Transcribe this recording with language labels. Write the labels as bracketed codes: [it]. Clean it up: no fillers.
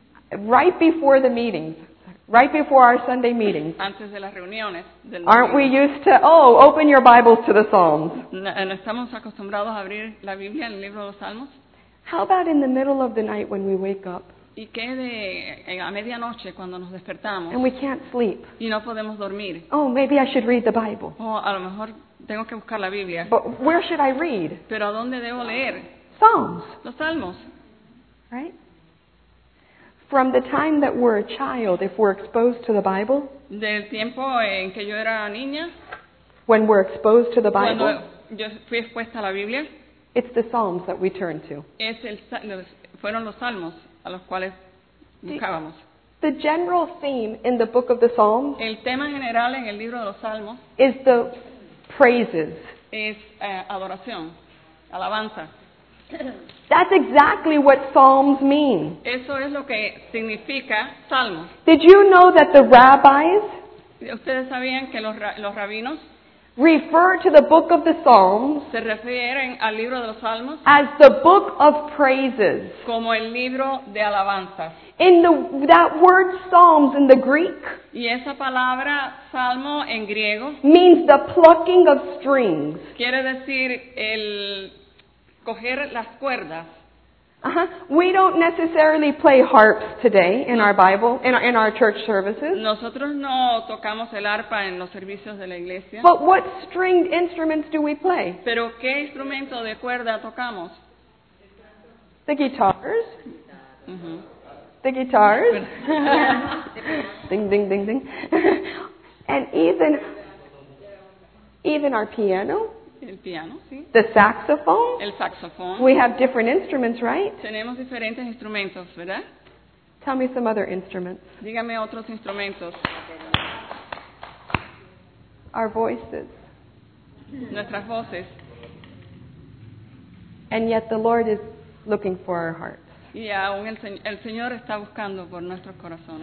[en] Right before the meetings, right before our Sunday meetings. [es] Antes de las reuniones. [en] Aren't we used to, oh, open your Bibles to the Psalms? [es] ¿No estamos acostumbrados a abrir la Biblia en el libro de los Salmos? [en] How about in the middle of the night when we wake up? [es] ¿Y qué de a medianoche cuando nos despertamos? [en] And we can't sleep. [es] Y no podemos dormir. [en] Oh, maybe I should read the Bible. [es] O a lo mejor tengo que buscar la Biblia. [en] But where should I read? [es] ¿Pero a dónde debo leer? [en] Psalms. [es] Los Salmos. [en] Right? From the time that we're a child, if we're exposed to the Bible, [es] del tiempo en que yo era niña, [en] when we're exposed to the Bible, [es] cuando yo fui expuesta a la Biblia. [en] It's the Psalms that we turn to. [es] Es el, fueron los salmos a los cuales buscábamos. [en] The general theme in the book of the Psalms, [es] el tema general en el libro de los salmos, [en] is the praises. [es] Es adoración, alabanza. [en] That's exactly what Psalms mean. [es] Eso es lo que significa salmos. [en] Did you know that the rabbis, [es] ustedes sabían que los rabinos, [en] refer to the book of the Psalms, [es] se refieren al libro de los salmos, [en] as the book of praises, [es] como el libro de alabanzas. [en] In the that word Psalms in the Greek, [es] y esa palabra salmo en griego, [en] means the plucking of strings, [es] quiere decir el coger las cuerdas. Uh-huh. [en] We don't necessarily play harps today in our Bible, in our church services. [es] Nosotros no tocamos el arpa en los servicios de la iglesia. [en] But what stringed instruments do we play? [es] ¿Pero qué instrumento de cuerda tocamos? [en] The guitars. Mm-hmm. The guitars. Ding, ding, ding, ding. And even our piano. [es] El piano, sí. [en] The saxophone. [es] El saxophone. [en] We have different instruments, right? [es] Tenemos diferentes instrumentos, ¿verdad? [en] Tell me some other instruments. [es] Dígame otros instrumentos. [en] Our voices. [es] Nuestras voces. [en] And yet the Lord is looking for our hearts. [es] Y aún el Señor está buscando por nuestros corazones.